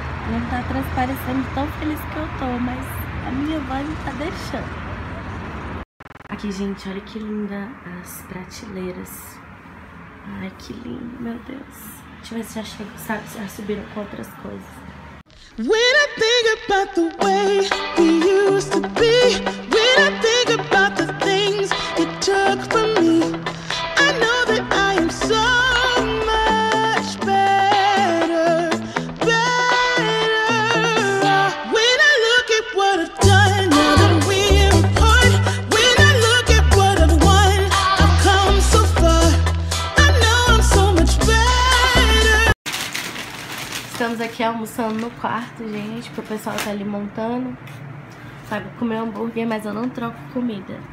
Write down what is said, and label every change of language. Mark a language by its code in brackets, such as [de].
[pt] Não tá transparecendo tão feliz que eu tô, mas a minha voz não tá deixando. Aqui, gente, olha que linda as prateleiras. Ai, que lindo, meu Deus. Deixa eu ver se já chegou, sabe, se já subiram com outras coisas. [en] When I think about the way we used to be, when I think about the things you took from me, I know that I am so much better, better. When I look at what I've done, now that we're apart, when I look at what I've won, I've come so far, I know I'm so much better. [pt] Estamos aqui almoçando no quarto, gente, porque o pessoal tá ali montando. Sabe, comer hambúrguer, mas eu não troco comida.